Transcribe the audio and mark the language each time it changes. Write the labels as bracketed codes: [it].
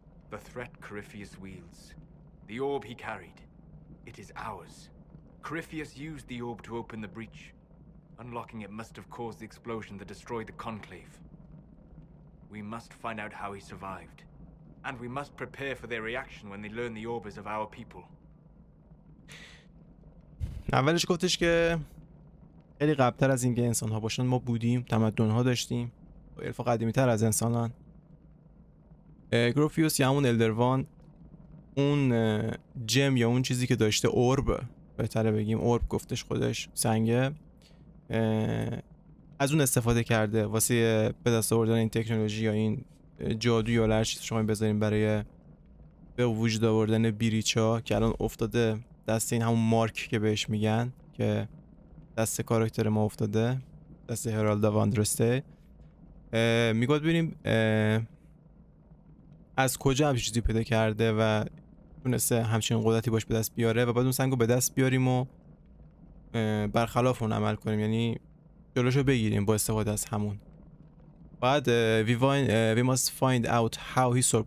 [en] The threat Corypheus wields. The orb he carried. It is ours. Corypheus used the orb to open the breach. Unlocking it must have caused the explosion that destroyed the conclave. We must find out how he survived. And we must prepare for their reaction when they learn the orb is of our people. [fa] اولش گفتش که خیلی قبل‌تر از اینکه انسان‌ها باشن ما بودیم، تمدن‌ها داشتیم و الف قدیمی‌تر از انسان‌ان. گروفیوس یا همون الدروان اون جم یا اون چیزی که داشته، اورب بهتره بگیم، اورب گفتش خودش، سنگه، از اون استفاده کرده واسه به دست آوردن این تکنولوژی یا این جادو یا هر چیزی شما بذاریم برای به وجود آوردن بریچا که الان افتاده دست این همون مارک که بهش میگن، که دست کاراکتر ما افتاده، دست هرالد واندرسته. میگوید ببینیم از کجا همچین چیزی پیدا کرده و تونسته همچین قدرتی باش به دست بیاره و بعد اون سنگو به دست بیاریم و برخلاف اون عمل کنیم، یعنی جلوشو بگیریم با استفاده از همون. بعد [en] we must find out how he survived.